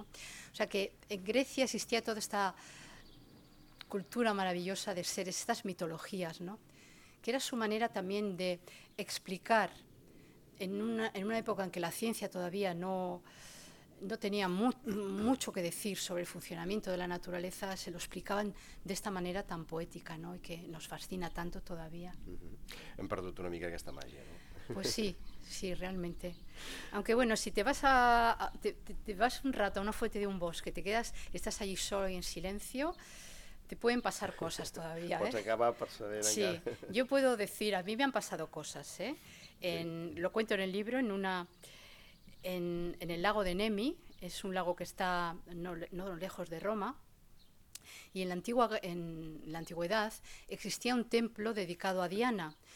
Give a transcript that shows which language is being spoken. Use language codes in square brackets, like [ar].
[es] O sea que en Grecia existía toda esta cultura maravillosa de seres, estas mitologías, ¿no?, que era su manera también de explicar en una época en que la ciencia todavía no no tenía mucho que decir sobre el funcionamiento de la naturaleza, se lo explicaban de esta manera tan poética, ¿no? Y que nos fascina tanto todavía. [ca] Hem perdut una mica aquesta màgia, no? [es] Pues sí, sí, realmente. Aunque bueno, si te vas te vas un rato a una fuente de un bosque, te quedas, estás allí solo y en silencio, te pueden pasar cosas todavía, ¿eh? [ca] Pots acabar percebent sí, encara. [es] Yo puedo decir, a mí me han pasado cosas, ¿eh? Lo cuento en el libro, en el lago de Nemi, es un lago que está no lejos de Roma, y en la antigüedad existía un templo dedicado a Diana.